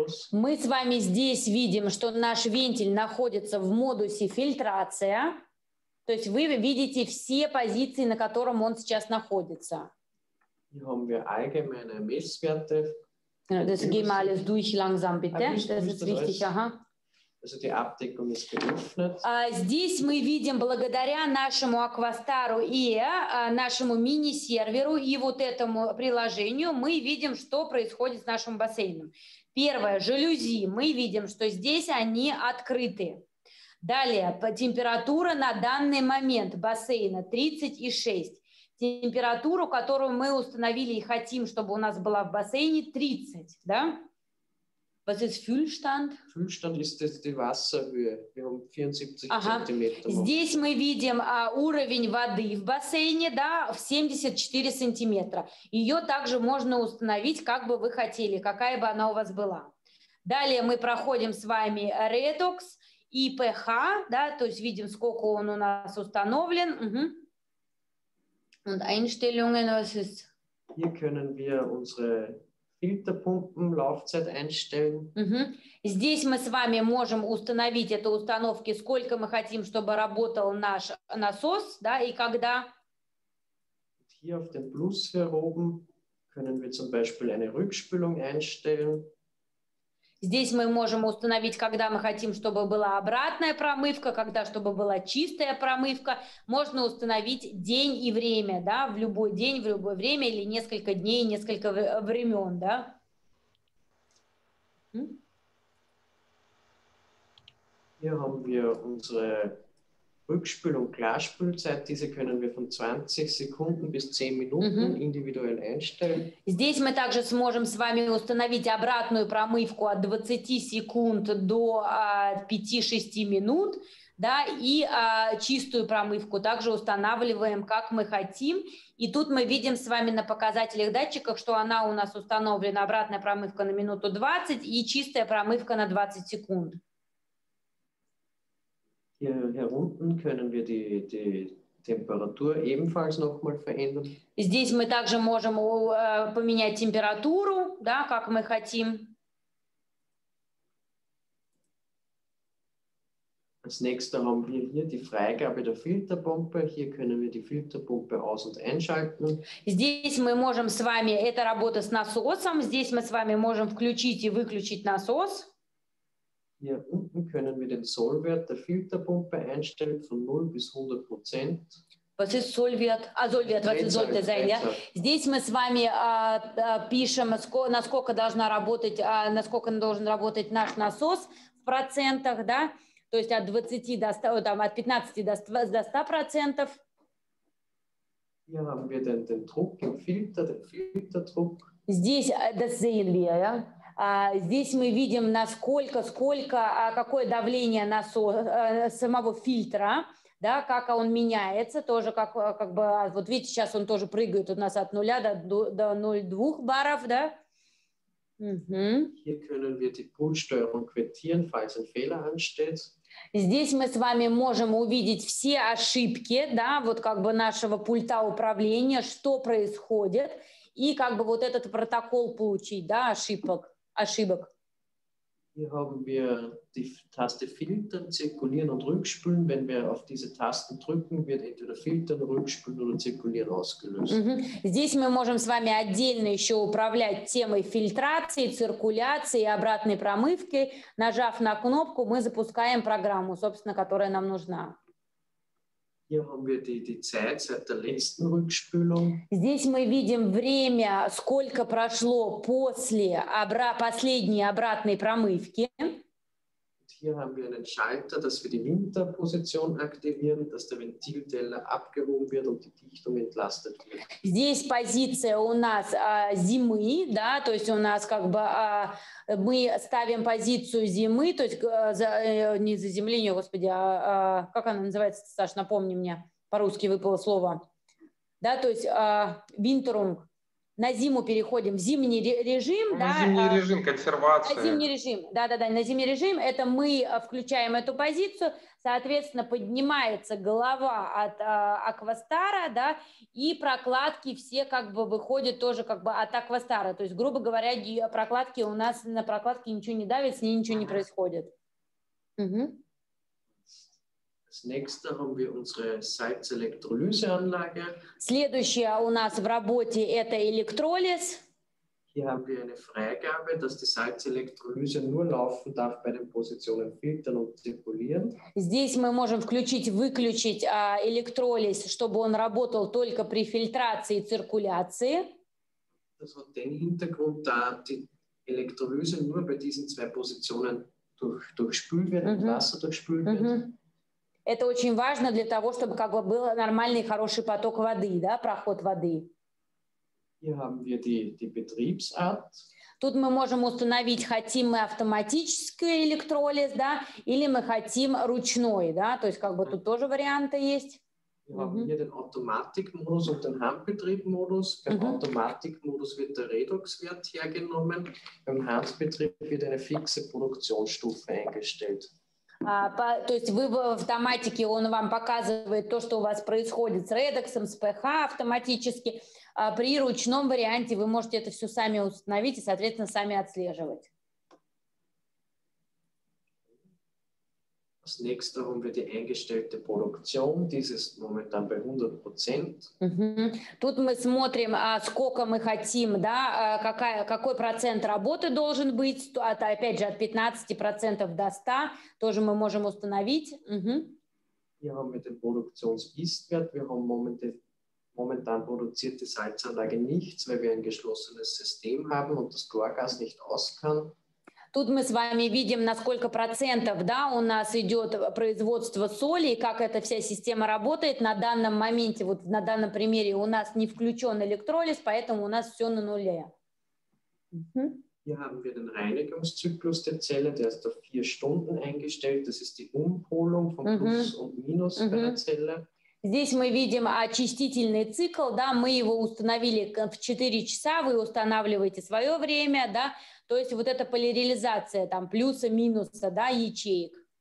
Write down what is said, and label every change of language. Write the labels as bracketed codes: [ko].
[ru] Мы с вами здесь видим, что наш вентиль находится в модусе фильтрация. То есть вы видите все позиции, на котором он сейчас находится. [de] Hier haben wir allgemeine Messwerte. Genau, das gehen wir alles durch langsam, bitte. Das ist wichtig, aha. Also die Abdeckung ist geöffnet. [ru] Здесь мы видим, благодаря нашему Aquastar Air, нашему мини-серверу и вот этому приложению, мы видим, что происходит с нашим бассейном. Первое, жалюзи. Мы видим, что здесь они открыты. Далее, температура на данный момент бассейна 36. Температуру, которую мы установили и хотим, чтобы у нас была в бассейне, 30, да? [de] Was ist Füllstand? Füllstand ist die Wasserhöhe. Wir haben 74 Zentimeter. [ru] Здесь мы видим уровень воды в бассейне, да, в 74 сантиметра. Ее также можно установить, как бы вы хотели, какая бы она у вас была. Далее мы проходим с вами Redox и pH, да, то есть видим, сколько он у нас установлен. Угу. [de] Und Einstellungen, was ist? Hier können wir unsere Фильтрпумпенлаufzeit einstellen. [ru] Здесь мы с вами можем установить эту установку, сколько мы хотим, чтобы работал наш насос, да, и когда. [de] Hier auf dem Plus hier oben können wir zum Beispiel eine Rückspülung einstellen. [ru] Здесь мы можем установить, когда мы хотим, чтобы была обратная промывка, когда, чтобы была чистая промывка. Можно установить день и время, да, в любой день, в любое время или несколько дней, несколько времен, да. [de] Hier haben wir unsere Rückspül- und Glasspülzeit. Diese können wir von 20 Sekunden bis 10 Minuten individuell einstellen. [ru] Здесь мы также сможем с вами установить обратную промывку от 20 секунд до 5-6 минут, да, и чистую промывку также устанавливаем, как мы хотим. И тут мы видим с вами на показателях датчиках, что она у нас установлена, обратная промывка на минуту 20 и чистая промывка на 20 секунд. [de] Hier unten können wir die Temperatur ebenfalls nochmal verändern. [ru] Здесь мы также можем поменять температуру, да, как мы хотим. [de] Als nächstes haben wir hier die Freigabe der Filterpumpe. Hier können wir die Filterpumpe aus- und einschalten. [ru] Здесь мы можем с вами, это работа с насосом. Здесь мы с вами можем включить и выключить насос. [de] Hier unten können wir den Sollwert der Filterpumpe einstellen von 0 bis 100%. Was ist Sollwert? Sollwert, was sollte sein, ja? [ru] Здесь мы с вами пишем, насколько должна работать, насколько должен работать наш насос в процентах, да? То есть от 20 до 100, там, от 15 до 100%. [de] Hier haben wir den Druck im Filter, den Filterdruck. [ru] Здесь [de] das sehen wir, ja? [ru] Здесь мы видим, насколько, сколько, какое давление самого фильтра, да, как он меняется, тоже как бы, вот видите, сейчас он тоже прыгает у нас от 0 до 0,2 баров, да. [de] Hier können wir die Pulssteuerung quittieren, falls ein Fehler ansteht. [ru] Здесь мы с вами можем увидеть все ошибки, да, вот как бы нашего пульта управления, что происходит, и как бы вот этот протокол получить, да, ошибок. Ошибок. [de] Hier haben wir die Taste filtern, zirkulieren und rückspülen. Wenn wir auf diese Tasten drücken, wird entweder filtern, rückspülen oder zirkulieren ausgelöst. [ru] Здесь мы можем с вами отдельно еще управлять темой фильтрации, циркуляции и обратной промывки. Нажав на кнопку, мы запускаем программу, собственно, которая нам нужна. [de] Hier haben wir die Zeit seit der letzten Rückspülung. [ru] Здесь мы видим время, сколько прошло после последней обратной промывки. [de] Hier haben wir einen Schalter, dass wir die Winterposition aktivieren, dass der Ventilteller abgehoben wird und die Dichtung entlastet wird. [ru] Здесь позиция у нас зимы, да, то есть у нас как бы мы ставим позицию зимы, то есть не заземление, господи, как она называется, Саш, напомни мне, по-русски выпало слово, да, то есть Winterung, на зиму переходим, в зимний режим. На зимний режим, консервация. На зимний режим, да-да-да, на зимний режим. Это мы включаем эту позицию, соответственно, поднимается голова от аквастара, да, и прокладки все как бы выходят тоже как бы от аквастара. То есть, грубо говоря, прокладки у нас, на прокладке ничего не давит, с ней ничего не происходит. Угу. Следующая у нас в работе – это электролиз. [de] Hier haben wir eine Freigabe, dass die Salzelektrolyse nur laufen darf bei den Positionen filtern und zirkulieren. [ru] Здесь мы можем включить, выключить электролиз, чтобы он работал только при фильтрации и циркуляции. [de] Das hat den Hintergrund, da die Elektrolyse nur bei diesen zwei Positionen durchspült wird, mit Wasser durchspült wird. [ru] Это очень важно для того, чтобы как бы был нормальный, хороший поток воды, да, проход воды. [de] Hier haben wir die Betriebsart. [ru] Тут мы можем установить, хотим мы автоматический электролиз, да, или мы хотим ручной, да, то есть как бы тут тоже варианты есть. [de] Wir haben hier den Automatikmodus und den Handbetriebmodus. Beim Automatikmodus wird der Redoxwert hergenommen, beim Handbetrieb wird eine fixe Produktionsstufe eingestellt. [ru] То есть вы в автоматике, он вам показывает то, что у вас происходит с редоксом, с pH автоматически. При ручном варианте вы можете это все сами установить и, соответственно, сами отслеживать. [de] Als nächstes haben wir die eingestellte Produktion. Dies ist momentan bei 100%. [ru] Тут мы смотрим, сколько мы хотим, да, какой процент работы должен быть. Опять же, от 15% до 100 тоже мы можем установить. [de] Hier haben wir den Produktions-Ist-Wert. Wir haben momentan produziert die Salzanlage nichts, weil wir ein geschlossenes System haben und das Chlorgas nicht aus kann. [ru] Тут мы с вами видим, на сколько процентов, да, у нас идет производство соли и как эта вся система работает. На данном моменте, вот на данном примере, у нас не включен электролиз, поэтому у нас все на нуле. [de] Hier haben wir den Reinigungszyklus der Zelle, der ist auf 4 Stunden eingestellt. Das ist die Umpolung von Plus und Minus bei der Zelle. [ru] Здесь мы видим очистительный цикл, да, мы его установили в 4 часа, вы устанавливаете свое время, да, то есть вот эта поляризация там плюса, минуса, да, ячеек.